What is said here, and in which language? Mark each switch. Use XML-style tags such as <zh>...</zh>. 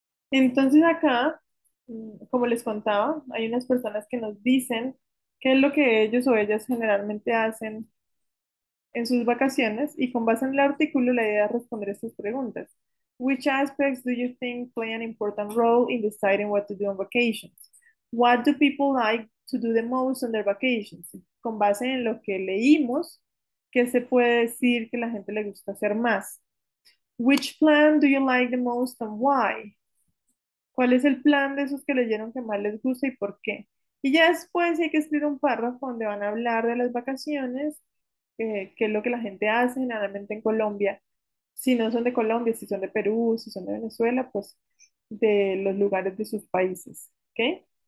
<es>Entonces acá, como les contaba, hay unas personas que nos dicen qué es lo que ellos o ellas generalmente hacen en sus vacaciones y con base en el artículo la idea es responder estas preguntas.</es> <en>Which aspects do you think play an important role in deciding what to do on vacations? What do people like to do the most on their vacations?</en> <es>Con base en lo que leímos, ¿qué se puede decir que la gente le gusta hacer más?</es> <en>Which plan do you like the most and why?</en> <es>¿Cuál es el plan de esos que leyeron que más les gusta y por qué? Y ya después hay que escribir un párrafo donde van a hablar de las vacaciones, qué es lo que la gente hace generalmente en Colombia. Si no son de Colombia, si son de Perú, si son de Venezuela, pues de los lugares de sus países. ¿Okay?</es>